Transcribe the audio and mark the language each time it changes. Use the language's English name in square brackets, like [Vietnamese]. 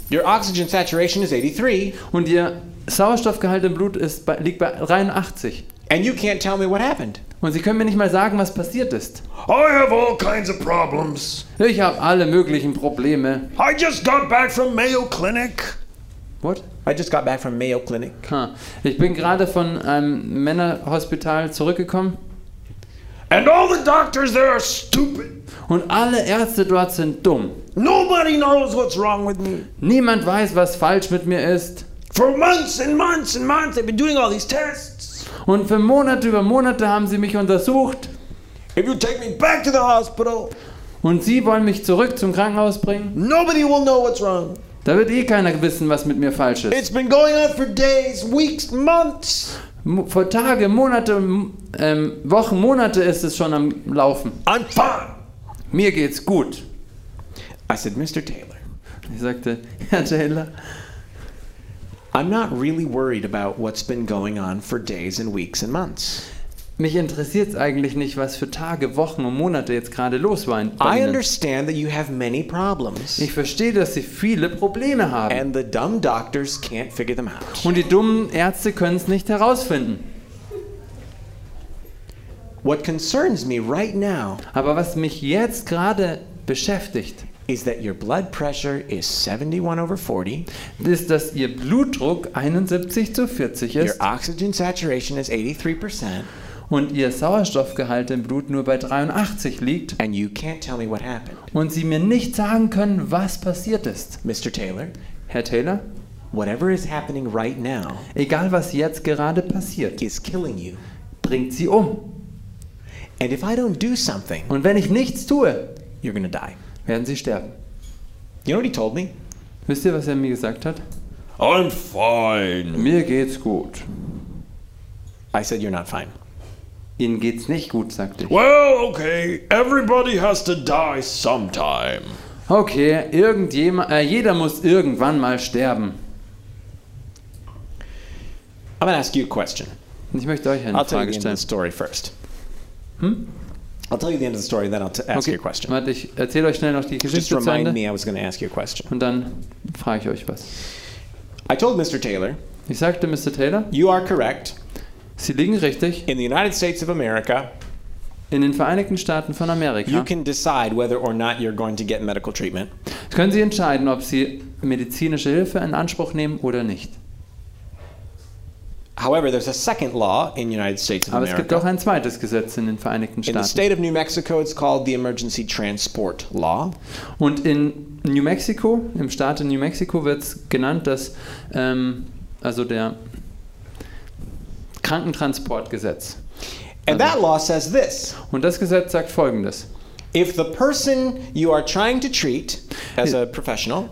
[English] Your oxygen saturation is 83. [German] Und Ihr Sauerstoffgehalt im Blut liegt bei 83. [English] And you can't tell me what happened. [German] Und Sie können mir nicht mal sagen, was passiert ist. [English] I have all kinds of problems. [German] Ich habe alle möglichen Probleme. [English] I just got back from Mayo Clinic. What? I just got back from Mayo Clinic. Huh. [German] Ich bin gerade von einem Männerhospital zurückgekommen. [English] And all the doctors there are stupid. [German] Und alle Ärzte dort sind dumm. [English] Nobody knows what's wrong with me. [German] Niemand weiß, was falsch mit mir ist. [English] For months and months and months they've been doing all these tests. [German] Und für Monate über Monate haben sie mich untersucht. [English] If you take me back to the hospital. [German] Und sie wollen mich zurück zum Krankenhaus bringen. [English] Nobody will know what's wrong. [German] Da wird keiner wissen, was mit mir falsch ist. [English] It's been going on for days, weeks, months. [German] Vor Tage, Monate, Wochen, Monate ist es schon am Laufen. [English] I'm fine. [German] Mir geht's gut. [English] I said, Mr. Taylor. [German] Ich sagte, Herr Taylor. [English] I'm not really worried about what's been going on for days and weeks and months. [German] Mich interessiert's eigentlich nicht, was für Tage, Wochen und Monate jetzt gerade los waren. [English] I understand that you have many problems. [German] Ich verstehe, dass Sie viele Probleme haben. [English] And the dumb doctors can't figure them out. [German] Und die dummen Ärzte können's nicht herausfinden. [English] What concerns me right now? [German] Aber was mich jetzt gerade beschäftigt, [English] is that your blood pressure is 71 over 40. [German] Ist, dass Ihr Blutdruck 71 zu 40 ist. [English] Your oxygen saturation is 83%. [German] Und Ihr Sauerstoffgehalt im Blut nur bei 83 liegt. [English] And you can't tell me what happened. [German] Und Sie mir nicht sagen können, was passiert ist. [English] Mr. Taylor. [German] Herr Taylor. [English] Whatever is happening right now. [German] Egal, was jetzt gerade passiert. [English] Is killing you. [German] Bringt Sie um. [English] And if I don't do something. [German] Und wenn ich nichts tue. [English] You're gonna die. [German] Werden Sie sterben. [English] You know what he told me? [German] Wisst ihr, was er mir gesagt hat? [English] I'm fine. [German] Mir geht's gut. [English] I said you're not fine. [German] Ihnen geht's nicht gut, sagte ich. [English] Well, okay, everybody has to die sometime. [German] Okay, jeder muss irgendwann mal sterben. [English] I'm gonna ask you a question. [German] Ich möchte euch eine Frage stellen. [English] I'll tell you the story first. Hm? I'll tell you the end of the story, then I'll ask okay. you a question. [German] Warte, ich erzähle euch schnell noch die Geschichte. [English] Just remind me, I was gonna ask you a question. [German] Und dann frage ich euch was. [English] I told Mr. Taylor. [German] Ich sagte Mr. Taylor. [English] You are correct. [German] Sie liegen richtig. [English] In the United States of America, [German] in den Vereinigten Staaten von Amerika, [English] you can decide whether or not you're going to get medical treatment. [German] Können Sie entscheiden, ob Sie medizinische Hilfe in Anspruch nehmen oder nicht. [English] However, there's a second law in the United States of [German] Aber [English] America. [German] Aber es gibt auch ein zweites Gesetz in den Vereinigten Staaten. [English] In the state of New Mexico, it's called the Emergency Transport Law. [German] Und in New Mexico, im Staat in New Mexico, wird es genannt, dass also der Krankentransportgesetz. [English] And that law says this. [German] Und das Gesetz sagt Folgendes. [English] If the person you are trying to treat as a professional,